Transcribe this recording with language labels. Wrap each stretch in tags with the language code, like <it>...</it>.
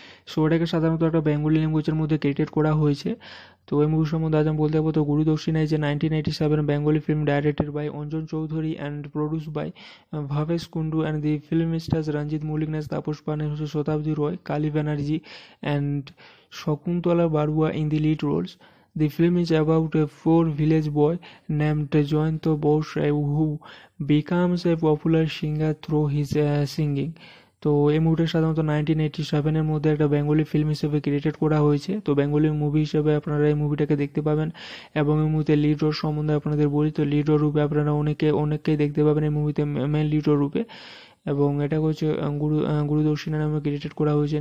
<bn>So এটাকে সাধারণত একটা বেঙ্গলি ল্যাঙ্গুয়েজের মধ্যে ক্রিয়েটেড করা হয়েছে। তো এই মুভি সম্বন্ধে আজ আমি বলতে যাবো, তো গুরুদক্ষিণায় যে 1987 Bengali film,</bn> <en>Directed by Anjan Chowdhury and produce by Bhabesh Kundu, and the film stars Ranjit Mallick, নেস তাপস পাল, হচ্ছে Satabdi Roy, Kali Banerjee and Sakuntala Barua in the lead roles. The film is about a poor village boy named Jayanta Bose who becomes a popular singer through his singing.</en> <bn>তো এই মুভিটা সাধারণত 1987 মধ্যে একটা Bengali film হিসেবে created করা হয়েছে। তো বেঙ্গলি মুভি হিসেবে আপনারা এই মুভিটাকে দেখতে পাবেন। এবং এই মুভিতে লিড রোল সম্বন্ধে আপনাদের বলি, তো লিড রোল রূপে আপনারা অনেককেই দেখতে পাবেন এই মুভিতে, মেন লিড রোল রূপে। এবং এটা হচ্ছে গুরুদক্ষিণা নামে ক্রিয়েটেড করা হয়েছে।</bn>